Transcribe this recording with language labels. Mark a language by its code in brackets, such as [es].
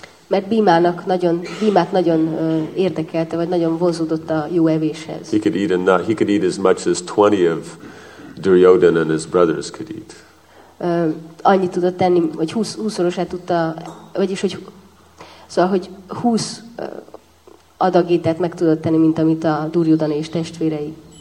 [hu] Mert Bhimát nagyon érdekelte, vagy nagyon vonzódott a jó evéshez. [en] He could eat as much as 20 of Duryodhana and his brothers could eat. [hu] Annyit tudott tenni, vagy 20-szorosát tudta, vagyis hogy szóval, hogy 20 adag ételt meg tudott tenni, mint amit a Duryodhana és testvérei.